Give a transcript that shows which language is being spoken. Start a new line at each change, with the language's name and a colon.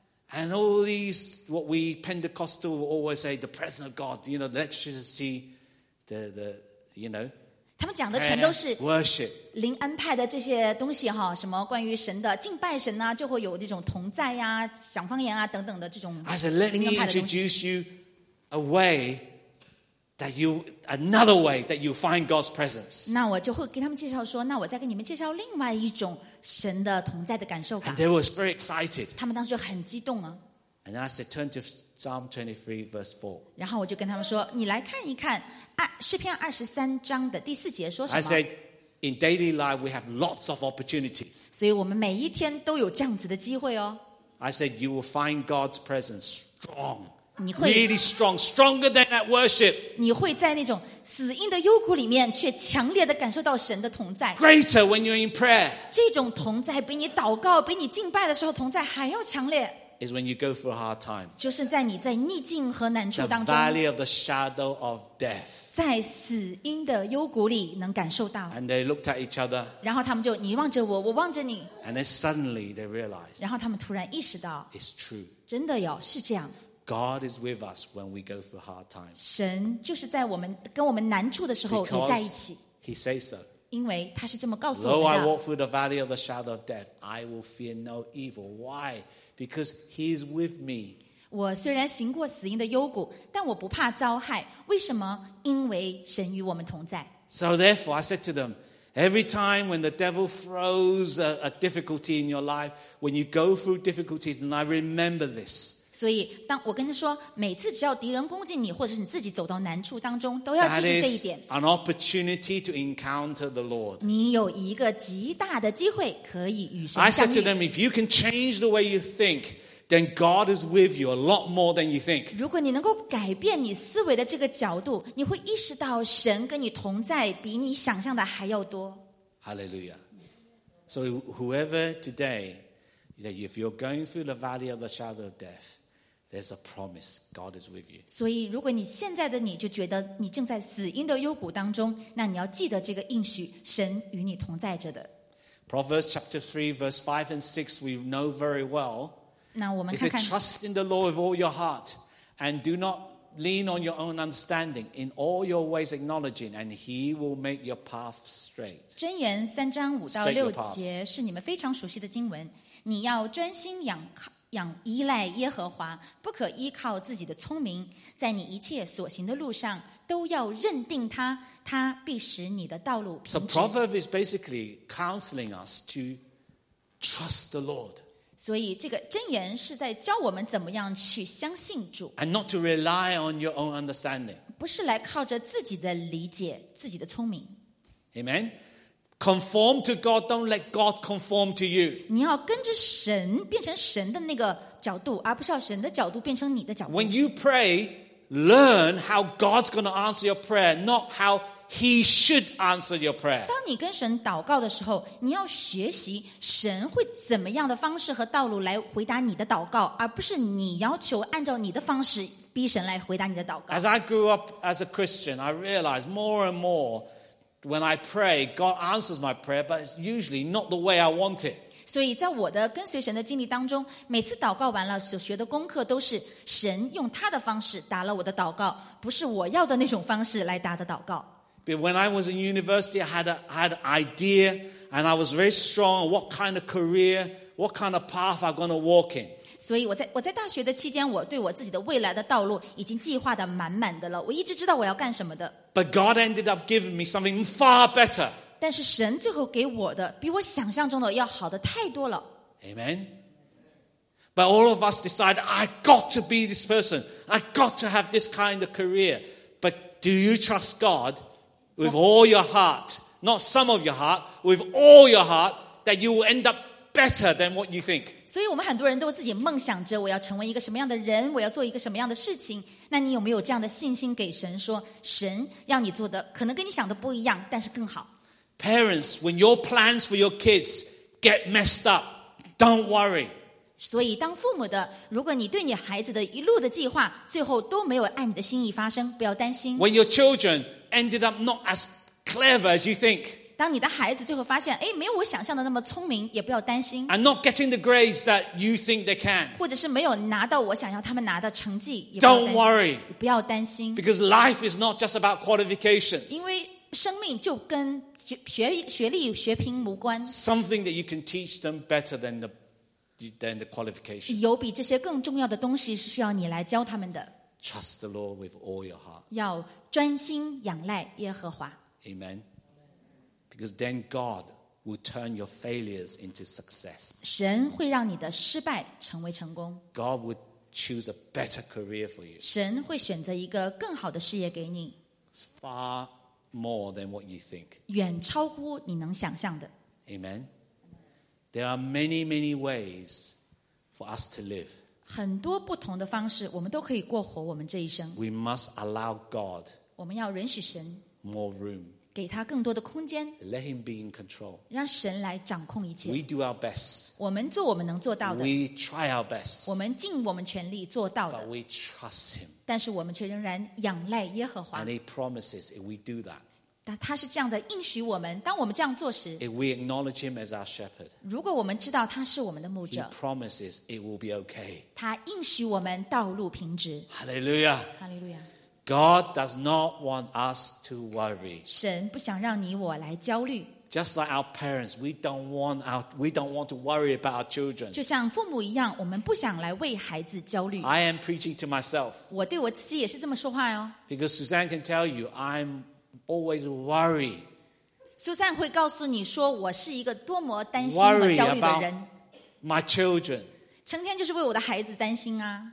English: And all these, what we Pentecostal always say, the presence of God, you know, electricity, the you know.
Chinese: 他们讲的全都是
English: Worship.
Chinese: 灵恩派的这些东西哈，什么关于神的敬拜神啊，就会有那种同在啊，讲方言啊等等的这种灵恩派的东西。
English: I said, let me introduce you a way. That you another way that you find God's presence.
Chinese: 那我就会给他们介绍说，那我再给你们介绍另外一种神的同在的感受感。
English: And they were very excited.
Chinese: 他们当时就很激动啊。
English: And I said, turn to Psalm 23, verse 4.
Chinese: 然后我就跟他们说，你来看一看诗篇二十三章的第四节说什么。
English: I said, in daily life we have lots of opportunities.
Chinese: 所以我们每一天都有这样子的机会哦。
English: I said, you will find God's presence strong. Really strong, stronger than that worship.
Chinese: 你会在那种死荫的幽谷里面，却强烈的感受到神的同在。
English: Greater when you're in prayer.
Chinese: 这种同在比你祷告、比你敬拜的时候同在还要强烈。
English: Is when you go through a hard time.
Chinese: 就是在你在逆境和难处当中。
English: The valley of the shadow of death.
Chinese: 在死荫的幽谷里能感受到。
English: And they looked at each other.
Chinese: 然后他们就你望着我，我望着你。
English: And then suddenly they realized.
Chinese: 然后他们突然意识到。
English: It's true.
Chinese: 真的有，是这样。
English: God is with us when we go through hard times.
Chinese: 神就是在我们跟我们难处的时候也在一起。
English: He says so.
Chinese: 因为他是这么告诉我们的。
English: Though I walk through the valley of the shadow of death, I will fear no evil. Why? Because He is with me.
Chinese: 我虽然行过死荫的幽谷，但我不怕遭害。为什么？因为神与我们同在。
English: So therefore, I said to them, every time when the devil throws a difficulty in your life, when you go through difficulties, and I remember this.
Chinese: 所以当我跟他说每次只要敌人攻击你或者是你自己走到难处当中都要记住这一点
English: an opportunity to encounter the Lord.
Chinese: 你有一个极大的机会可以与神相遇
English: I said to them if you can change the way you think then God is with you a lot more than you think
Chinese: 如果你能够改变你思维的这个角度你会意识到神跟你同在比你想象的还要多
English: Hallelujah So whoever today that if you're going through the valley of the shadow of deathThere's a promise. God is with you.
Chinese: 所以，如果你现在的你就觉得你正在死荫的幽谷当中，那你要记得这个应许，神与你同在着的。
English: Proverbs chapter 3, verse 5 and 6, we know very well.
Chinese: 那我们看看。
English: Is it trust in the Lord with all your heart and do not lean on your own understanding, in all your ways acknowledging, and He will make your path straight.
Chinese: 箴言三章五到六节是你们非常熟悉的经文。你要专心依赖耶和华，不可依靠自己的聪明，在你一切所行的路上都要认定他，他必使你的道路平直。
English: So proverb is basically counseling us to trust the Lord.
Chinese: 所以这个箴言是在教我们怎么样去相信主。
English: And not to rely on your own understanding.
Chinese: 不是来靠着自己的理解，自己的聪明。
English: Amen. Conform to God, don't let God conform to you.
Chinese: 你要跟着神，变成神的那个角度，而不是要神的角度变成你的角度。
English: When you pray,Learn how God's going to answer your prayer, not how He should answer your prayer.
Chinese: 当你跟神祷告的时候，你要学习神会怎么样的方式和道路来回答你的祷告，而不是你要求按照你的方式逼神来回答你的祷告。
English: As I grew up as a Christian, I realized more and more when I pray, God answers my prayer, but it's usually not the way I want it.
Chinese: 所以在我的跟随神的经历当中，每次祷告完了所学的功课都是神用他的方式答了我的祷告，不是我要的那种方式来答的祷告。
English: But when I was in university, I had an idea and I was very strong on what kind of career, what kind of path I'm going to walk in.
Chinese: 所以我在大学的期间，我对我自己的未来的道路已经计划的满满的了，我一直知道我要干什么的。
English: But God ended up giving me something far better.
Chinese: 但是神最后给我的比我想象中的要好的太多了。
English: Amen. But all of us decide, I got to be this person. I got to have this kind of career. But do you trust God with all your heart? Not some of your heart, with all your heart, that you will end up better than what you think.
Chinese: 所以我们很多人都自己梦想着我要成为一个什么样的人，我要做一个什么样的事情。那你有没有这样的信心给神说，神要你做的可能跟你想的不一样，但是更好。
English: Parents, when your plans for your kids get messed up, don't worry.
Chinese: 所以当父母的，如果你对你孩子的一路的计划最后都没有按你的心意发生，不要担心。
English: When your children ended up not as clever as you think.
Chinese: 当你的孩子最后发现，哎，没有我想象的那么聪明，也不要担心。
English: And not getting the grades that you think they can.
Chinese: 或者是没有拿到我想要他们拿的成绩，也不要担心。
English: Don't worry.
Chinese: 不要担心。
English: Because life is not just about qualifications.
Chinese: 因为生命就跟 学历学评无关。
English: Something that you can teach them better than the qualification.
Chinese: 有比这些更重要的东西是需要你来教他们的。
English: Trust the Lord with all your heart.
Chinese: 要专心仰赖耶和华。
English: Amen. Because then God will turn your failures into success.
Chinese: 神会让你的失败成为成功。
English: God would choose a better career for you.
Chinese: 神会选择一个更好的事业给你。
English: FarMore than what you think.
Chinese: 远超乎你能想象的。
English: Amen. There are many, many ways for us to live.
Chinese: 很多不同的方式，我们都可以过活我们这一生。
English: We must allow God.
Chinese: 我们要允许神。
English: More room.
Chinese: 给他更多的空间。
English: Let Him be in control.
Chinese: 让神来掌控一切。
English: We do our best.
Chinese: 我们做我们能做到的。
English: We try our best.
Chinese: 我们尽我们全力做到的。
English: But we trust Him.
Chinese: 但是我们却仍然仰赖耶和华。
English: And He promises if we do that.
Chinese: 但他是这样子应许我们，当我们这样做时。
English: If we acknowledge Him as our shepherd.
Chinese: 如果我们知道他是我们的牧者。
English: He promises it will be okay.
Chinese: 他应许我们道路平直。
English: Hallelujah. Hallelujah. God does not want us to worry.
Chinese: 神不想让你我来焦虑。
English: Just like our parents, we don't want to worry about our children.
Chinese: 就像父母一样，我们不想来为孩子焦虑。
English: I am preaching to myself.
Chinese: 我对我自己也是这么说话哦。
English: Because Suzanne can tell you, I'm always worried.
Chinese: Suzanne 会告诉你说，我是一个多么担心、
English: worry、
Chinese: 多么焦虑的人。
English: My children.
Chinese: 成天就是为我的孩子担心啊。